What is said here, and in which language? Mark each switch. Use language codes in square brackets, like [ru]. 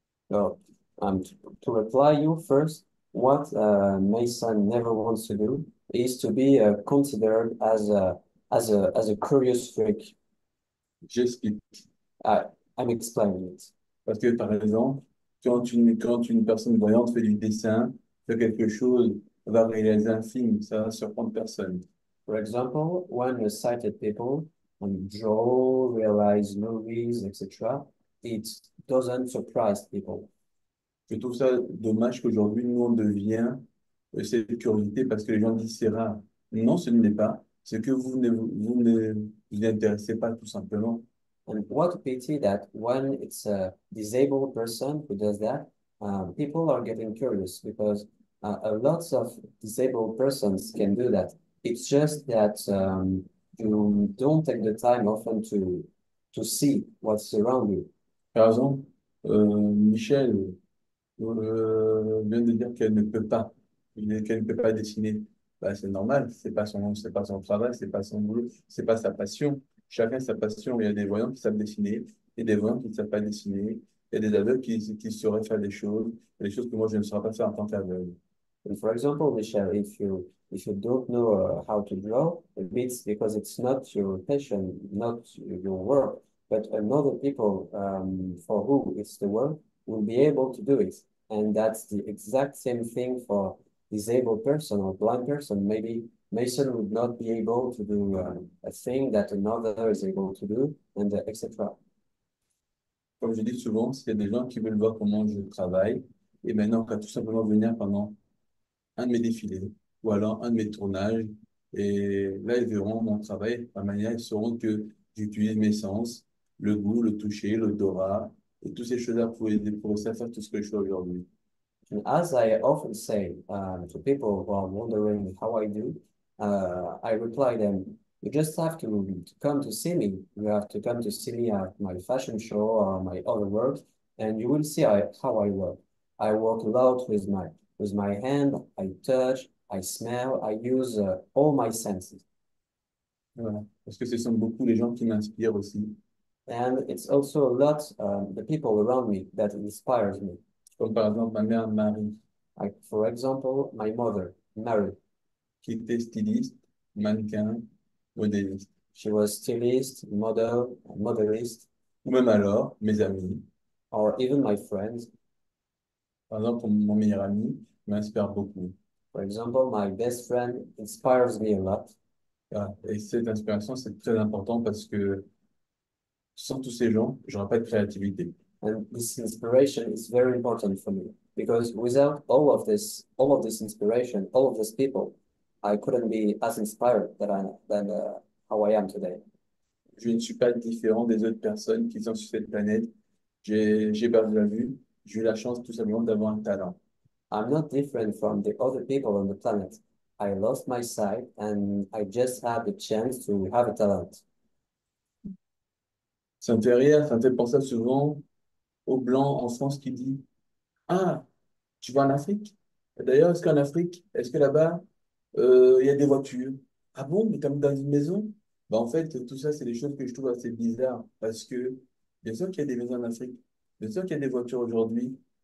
[fr] Alors, [en] to reply you first, what Mason never wants to do is to be considered as a curious freak. [fr] J'explique. [en] I'm explaining it. [fr] Parce que, par exemple, quand une personne voyante fait du dessin, fait quelque chose, va réaliser un film, ça va surprendre personne. [en] For example, when the sighted people draw, realize movies, etc., it doesn't surprise people. [fr] Je trouve ça dommage qu'aujourd'hui, nous, on devienne cette curiosité parce que les gens disent c'est rare. Non, ce n'est pas. C'est que vous n'intéressez pas, tout simplement. [en] And what a pity that when it's a disabled person who does that, people are getting curious because lots of disabled persons can do that. It's just that you don't take the time often to see what's around you. [fr] Par exemple, Michel vient de dire qu'elle ne peut pas dessiner. Bah, c'est normal, c'est pas son travail, c'est pas son boulot, c'est pas sa passion. Chacun sa passion. Il y a des voyants qui savent dessiner, et des voyants qui ne savent pas dessiner. Il y a des aveugles qui sauraient faire des choses que moi je ne saurais pas faire en tant qu'aveugle. [en] And for example, Michel, if you don't know how to draw, it's because it's not your passion, not your work. But another people for who it's the work will be able to do it. And that's the exact same thing for disabled person or blind person. Maybe Mason would not be able to do a thing that another is able to do, and etc. [fr] Comme je dis souvent, s'il y a des gens qui veulent voir comment je travaille, et maintenant, on va tout simplement venir pendant un de mes défilés ou alors un de mes tournages. Et là, ils verront mon travail, ma manière, ils sauront que j'utilise mes sens, le goût, le toucher, l'odorat, et toutes ces choses-là pour aider pour ça, faire tout ce que je fais aujourd'hui. [en] And as I often say to people who are wondering how I do, I reply them, you just have to come to see me. You have to come to see me at my fashion show or my other work, and you will see how I work. I work a lot with my hand, I touch, I smell, I use all my senses. [fr] Voilà. Parce que ce sont beaucoup les gens qui m'inspirent aussi. [en] And it's also a lot the people around me that inspires me. [fr] Comme par exemple ma mère Marie, [en] Like, for example, my mother, Mary. [fr] qui était styliste, mannequin, modéliste. [en] She was stylist, model, modelist, [fr] Ou même alors, mes amis. [en] or even my friends. [fr] Par exemple, mon meilleur ami m'inspire beaucoup. [en] For example, my best friend inspires me a lot. [fr] Ah, et cette inspiration, c'est très important parce que sans tous ces gens, je n'aurais pas de créativité. [en] And this inspiration is very important for me. Because without all of this inspiration, all of these people, I couldn't be as inspired than how I am today. [fr] Je ne suis pas différent des autres personnes qui sont sur cette planète. J'ai perdu la vue. J'ai eu la chance tout simplement d'avoir un talent. [en] I'm not different from the other people on the planet. I lost my sight and I just had the chance to have a talent. [fr] Ça me fait rire, ça me fait penser souvent aux Blancs en France qui disent « Ah, tu vas en Afrique? D'ailleurs, est-ce qu'en Afrique, est-ce que là-bas, il y a des voitures? Ah bon, mais comme dans une maison? » Ben, en fait, tout ça, c'est des choses que je trouve assez bizarres parce que bien sûr qu'il y a des maisons en Afrique, bien sûr qu'il y a des voitures aujourd'hui.